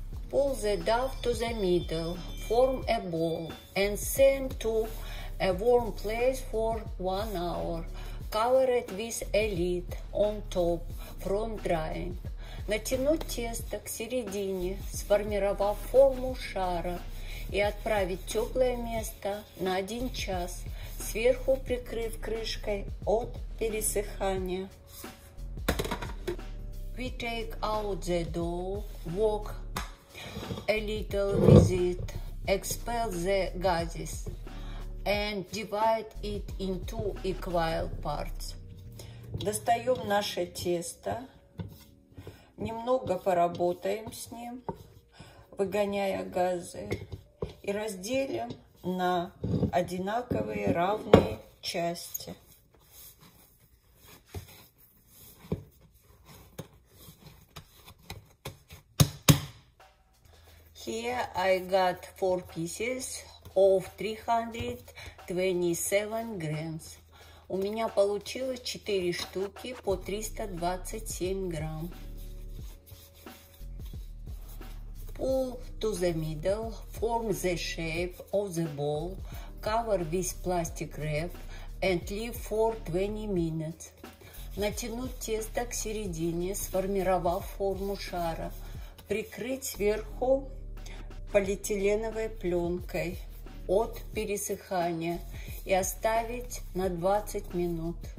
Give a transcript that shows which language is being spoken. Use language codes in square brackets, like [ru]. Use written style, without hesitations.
[en] pull the dough to the middle, form a ball, and send to a warm place for 1 hour. Cover it with a lid on top from drying. [ru] Натянуть тесто к середине, сформировав форму шара, и отправить в теплое место на 1 час, сверху прикрыв крышкой от пересыхания. [en] We take out the dough, walk a little with it, expel the gases, and divide it into equal parts. [ru] Достаем наше тесто, немного поработаем с ним, выгоняя газы, и разделим на одинаковые равные части. [en] Here I got 4 pieces of 327 grams. [ru] У меня получилось 4 штуки по 327 грамм. [en] Pull to the middle, form the shape of the ball, cover with plastic wrap and leave for 20 minutes. [ru] Натянуть тесто к середине, сформировав форму шара. Прикрыть сверху полиэтиленовой пленкой от пересыхания и оставить на 20 минут.